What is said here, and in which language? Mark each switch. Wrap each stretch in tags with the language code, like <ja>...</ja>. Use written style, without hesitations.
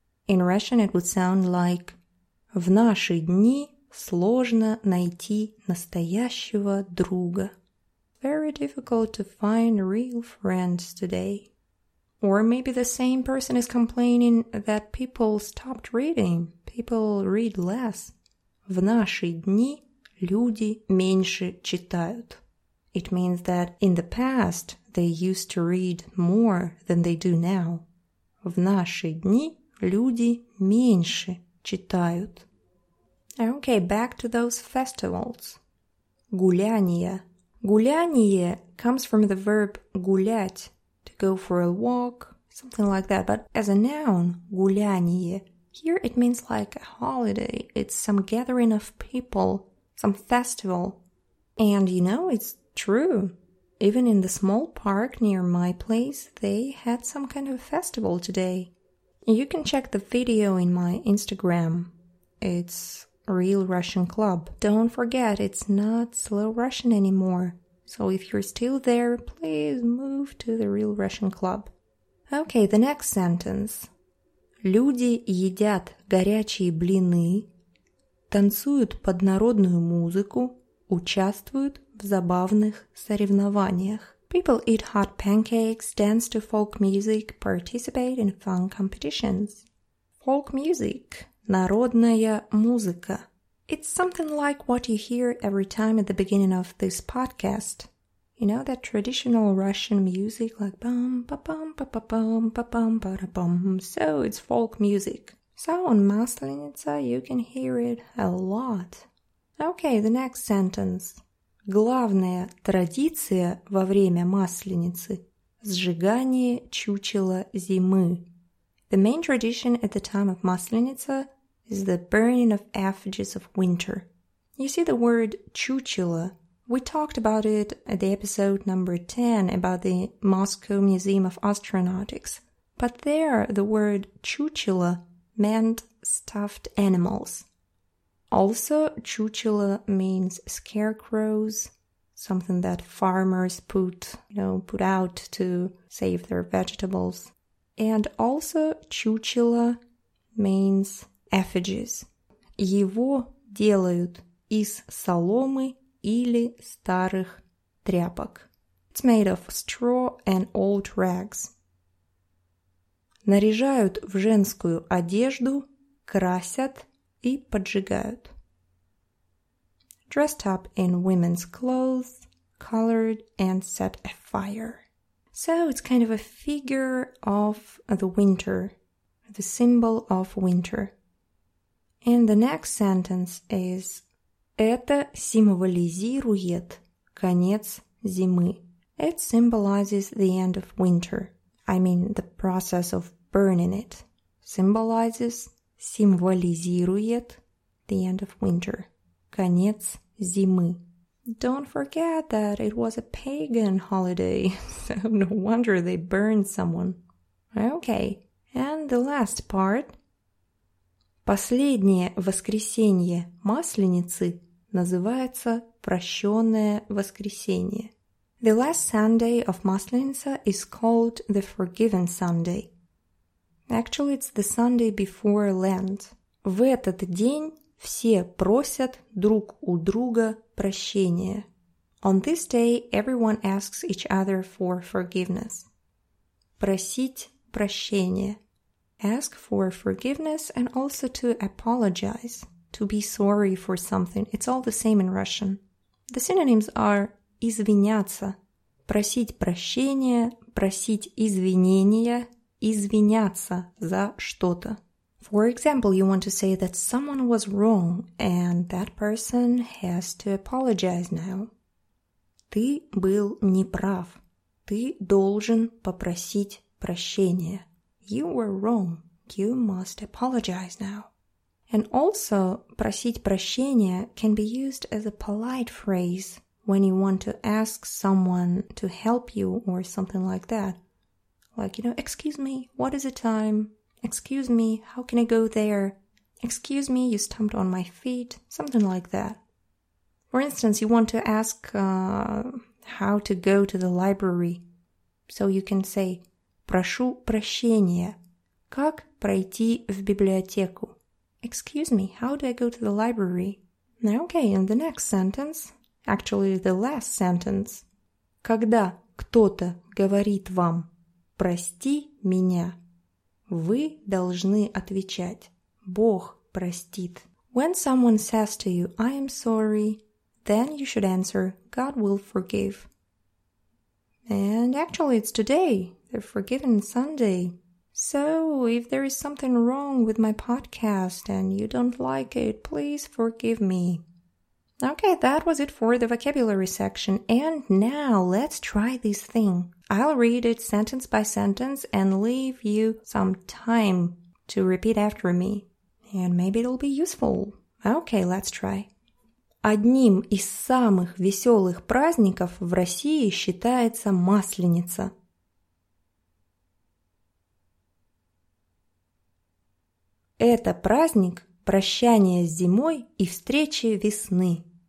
<en>In Russian it would sound like</en> <ru>«В наши дни сложно найти настоящего друга».</ru> <en>Very difficult to find real friends today. Or maybe the same person is complaining that people stopped reading, people read less.</en> <ru>«В наши дни люди меньше читают».</ru> <en>It means that in the past they used to read more than they do now.</en> <ru>В наши дни люди меньше читают.</ru> <en>Okay, back to those festivals.</en> <ru>Гуляния.</ru> <en>Гуляние comes from the verb гулять, to go for a walk, something like that. But as a noun, гуляние, here it means like a holiday. It's some gathering of people, some festival. And you know, it's true. Even in the small park near my place, they had some kind of festival today. You can check the video in my Instagram. It's Real Russian Club. Don't forget, it's not Slow Russian anymore. So if you're still there, please move to the Real Russian Club. Okay, the next sentence.</en> <ru>Люди едят горячие блины, танцуют под народную музыку, участвуют в забавных соревнованиях.</ru> <en>People eat hot pancakes, dance to folk music, participate in fun competitions. Folk music,</en> <ru>народная музыка.</ru> <en>It's something like what you hear every time at the beginning of this podcast. You know that traditional Russian music like bum ba bum ba ba bum ba bum ba da bum. So it's folk music. So on Maslenitsa you can hear it a lot. Okay, the next sentence.</en> <ru>Главная традиция во время Масленицы – сжигание чучела зимы.</ru> <en>The main tradition at the time of Масленица is the burning of effigies of winter. You see the word чучело. We talked about it at the episode number 10 about the Moscow Museum of Astronautics. But there, the word чучело meant stuffed animals. Also, чучело means scarecrows, something that farmers put out to save their vegetables. And also, чучело means effigies.</en> <ru>Его делают из соломы или старых тряпок.</ru> <en>It's made of straw and old rags.</en> <ru>Наряжают в женскую одежду, красят и поджигают.</ru> <en>Dressed up in women's clothes, colored and set afire. So it's kind of a figure of the winter, the symbol of winter. And the next sentence is</en> <ru>Это символизирует конец зимы.</ru> <en>It symbolizes the end of winter. I mean the process of burning it. Symbolizes,</en> <ru>символизирует</ru> <en>the end of winter.</en> <ru>Конец зимы.</ru> <en>Don't forget that it was a pagan holiday, so no wonder they burned someone. Okay, and the last part.</en> <ru>Последнее воскресенье Масленицы называется Прощённое воскресенье.</ru> <en>The last Sunday of Масленица is called the Forgiven Sunday. Actually, it's the Sunday before Lent.</en> <ru>В этот день все просят друг у друга прощения.</ru> <en>On this day, everyone asks each other for forgiveness.</en> <ru>Просить прощения.</ru> <en>Ask for forgiveness and also to apologize. To be sorry for something. It's all the same in Russian. The synonyms are</en> <ru>извиняться. Просить прощения, просить извинения, извиняться за что-то.</ru> <en>For example, you want to say that someone was wrong and that person has to apologize now.</en> <ru>Ты был неправ. Ты должен попросить прощения.</ru> <en>You were wrong. You must apologize now. And also,</en> <ru>просить прощения</ru> <en>can be used as a polite phrase when you want to ask someone to help you or something like that. Like, you know, excuse me, what is the time? Excuse me, how can I go there? Excuse me, you stomped on my feet. Something like that. For instance, you want to ask how to go to the library. So you can say,</en> <ru>прошу прощения. Как пройти в библиотеку?</ru> <en>Excuse me, how do I go to the library? Okay, and the next sentence. Actually, the last sentence.</en> <ru>Когда кто-то говорит вам, прости меня. Вы должны отвечать. Бог простит.</ru> <en>When someone says to you, I am sorry, then you should answer, God will forgive. And actually, it's today, the Forgiven Sunday. So, if there is something wrong with my podcast and you don't like it, please forgive me. Okay, that was it for the vocabulary section. And now, let's try this thing. I'll read it sentence by sentence and leave you some time to repeat after me. And maybe it'll be useful. Okay, let's try.</en> <ru>Одним из самых веселых праздников в России считается Масленица. Это праздник прощания с зимой и встречи весны.</ru>